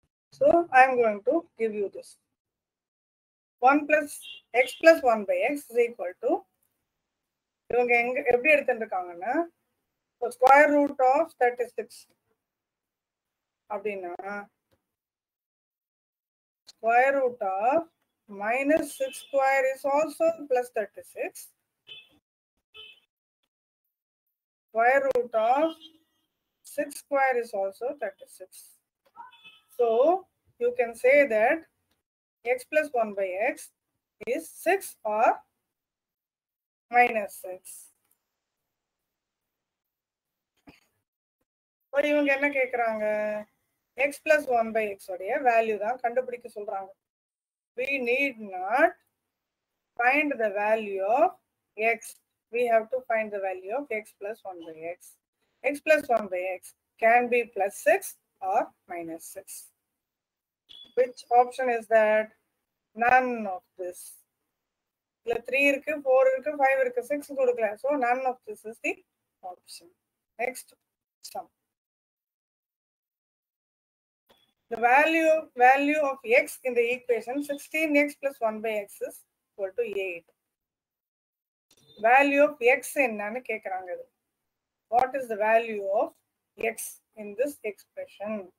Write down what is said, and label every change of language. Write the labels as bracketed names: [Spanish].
[English] So I am going to give you this. 1 plus x plus 1 by x is equal to [Tamil] இவங்க எங்க எப்படி எடுத்துருக்காங்கன்னா [English] square root of 36 [Tamil] அப்படின்னா [English] Square root of minus 6 square is also plus 36 square root of 6 square is also 36 So you can say that x plus 1 by x is 6 or minus 6. [Tamil] So இவங்க என்ன கேக்குறாங்க? [English] X plus 1 by x உடைய value [Tamil] தான் கண்டுபிடிக்க சொல்றாங்க. [English] We need not find the value of x. We have to find the value of x plus 1 by x. X plus 1 by x can be plus 6 or minus 6. Which option is that? None of this. [Tamil] இல்ல 3 இருக்கு 4 இருக்கு 5 இருக்கு 6 கொடுக்கல. [English] So none of this is the option. Next sum. The value of x in the equation 16x plus 1 by x is equal to 8. Value of x [Tamil] என்னன்னு கேக்குறாங்க அது. [English] What is the value of x in this expression?